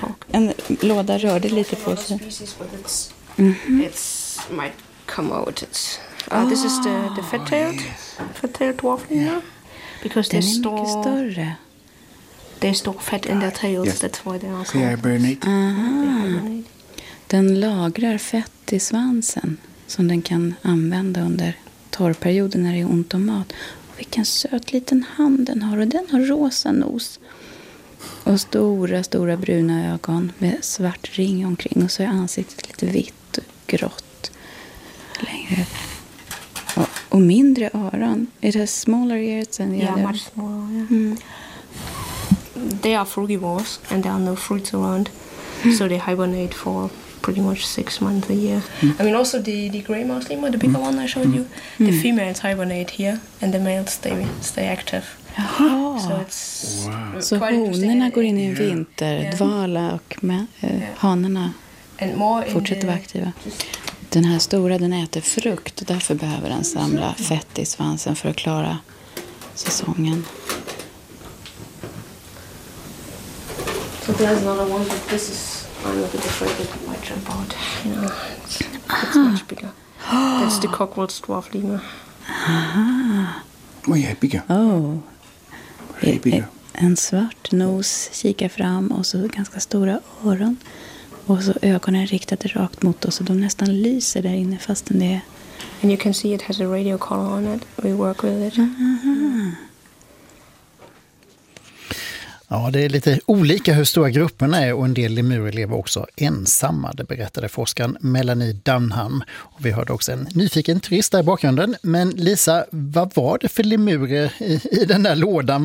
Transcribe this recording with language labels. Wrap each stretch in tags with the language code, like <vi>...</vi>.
<sv>En låda rörde lite på sig.</sv> <en>It might come out. This is the fat-tailed, fat-tailed dwarf lemur. Because they store</en> <sv>större.</sv> <en>They store fat in their tails. Yes. That's why they are called.</en> <sv>Den lagrar fett i svansen som den kan använda under torrperioden när det är ont om mat. Och vilken söt liten hand den har, och den har rosa nos. Och stora, stora bruna ögon med svart ring omkring. Och så är ansiktet lite vitt och grått. Längre. Och mindre öron.</sv> <en>It has smaller ears than the other. Yeah, much smaller, yeah. Mm. They are frugivores and there are no fruits around. So they hibernate for pretty much 6 months a year. Mm. I mean also the grey mouse lemur, the bigger one I showed you, the females hibernate here and the males stay active.</en> <sv>Så</sv> <en>so wow. So</en> <sv>honorna går in i en vinter, dvala och hanarna fortsätter vara aktiva. Den här stora, den äter frukt och därför behöver den samla fett i svansen för att klara säsongen.</sv> <en>So there's another one, but this is, I'm a bit afraid that it might jump out, you know, it's much bigger. That's the Cockwell's dwarf lemur. Oh yeah, bigger. Oh. Very bigger.</en> <sv>En svart nos kikar fram och så ganska stora öron. Och så ögonen är riktade rakt mot oss och de nästan lyser där inne fastän det är...</sv> <en>And you can see it has a radio collar on it, we work with it.</en> <sv>Ja, det är lite olika hur stora grupperna är och en del lemurer lever också ensamma, det berättade forskaren Melanie Dunham. Och vi hörde också en nyfiken turist där i bakgrunden. Men Lisa, vad var det för lemurer i den där lådan?</sv>